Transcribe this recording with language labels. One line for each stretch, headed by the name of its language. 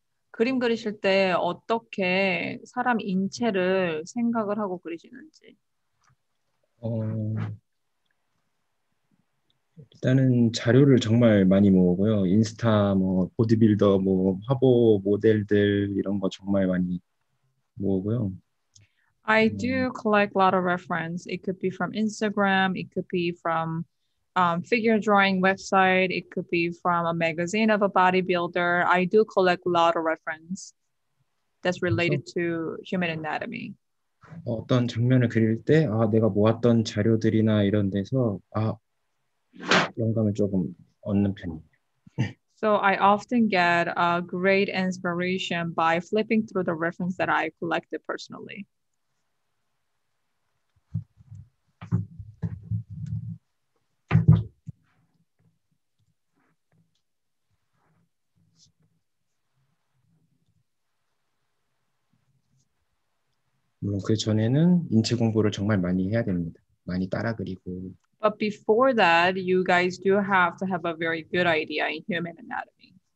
Korean: 그림 그리실 때 어떻게 사람 인체를 생각을 하고 그리시는지? 일단은 자료를 정말 많이 모으고요. 인스타, 뭐 보디빌더, 뭐 화보 모델들 이런 거 정말 많이 모으고요.
English: I do collect a lot of reference. It could be from Instagram, it could be from figure drawing website, it could be from a magazine of a bodybuilder. I do collect a lot of reference that's related to human anatomy.
Korean: 어떤 장면을 그릴 때 아, 내가 모았던 자료들이나 이런 데서 아, 영감을 조금 얻는 편이에요.
English: So I often get a great inspiration by flipping through the reference that I collected personally.
Korean: 그 전에는 인체 공부를 정말 많이 해야 됩니다. 많이 따라 그리고.
English: But before that, you guys do have to have a very good idea in human anatomy.